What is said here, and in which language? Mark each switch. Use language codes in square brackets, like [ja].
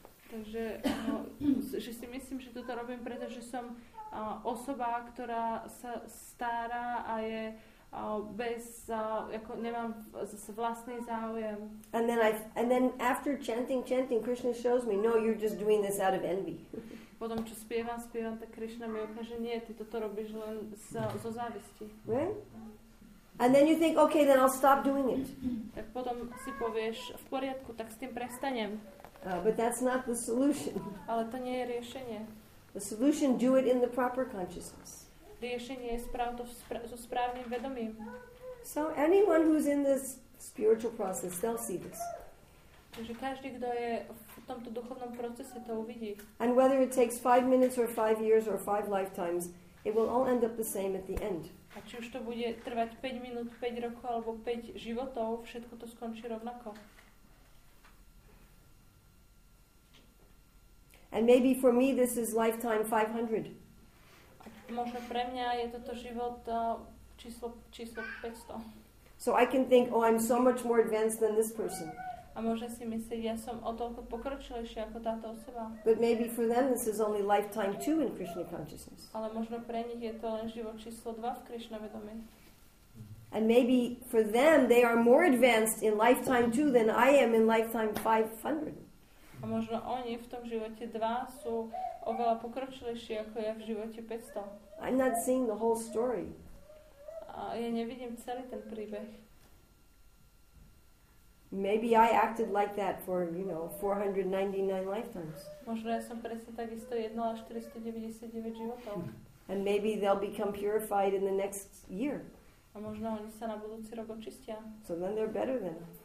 [sk] Takže že si myslím, že toto robím, pretože som osoba, ktorá sa stará a je ako nemám vlastný záujem. [en] And then after chanting, Krishna shows me, no, you're just doing this out of envy. [sk] Potom, čo spievam, tak Krishna mi ukáže, nie, ty toto robíš len zo závisti. [en] Right? And then you think, okay, then I'll stop doing it. [sk] Tak potom si povieš, v poriadku, tak s tým prestanem. [en] But that's not the solution. [sk] Ale to nie je riešenie. [en] The solution, do it in the proper consciousness. [sk] Riešenie je správ to so správnym vedomím. [en] So anyone who's in this spiritual process, they'll see this. [sk] Takže každý, kto je v tomto duchovnom procese, to uvidí. [en] And whether it takes 5 minutes or 5 years or 5 lifetimes, it will all end up the same at the end. [sk] A či už to bude trvať 5 minút, 5 rokov alebo 5 životov, všetko to skončí rovnako. [en] And maybe for me this is lifetime 500. [sk] A možno pre mňa je toto život číslo 500. [en] So I can think, oh, I'm so much more advanced than this person. [sk] A môže si myslieť, ja som o toľko pokročilejšia ako táto osoba. [en] But maybe for them this is only lifetime 2 in Krishna consciousness. [sk] Ale možno pre nich je to len život číslo 2 v Krishna vedomí. [en] And maybe for them they are more advanced in lifetime 2 than I am in lifetime 500. [sk] A možno oni v tom živote 2 sú oveľa pokročilejší ako ja v živote 500. [en] I'm not seeing the whole story. [sk] A ja nevidím celý ten príbeh. [en] Maybe I acted like that for, you know, 499 lifetimes. [sk] Možno ja som presne tak isto jednala 499 životov. [en] And maybe they'll become purified in the next year. [sk] A možno oni sa na budúci rok očistia. [en] So then they're better than.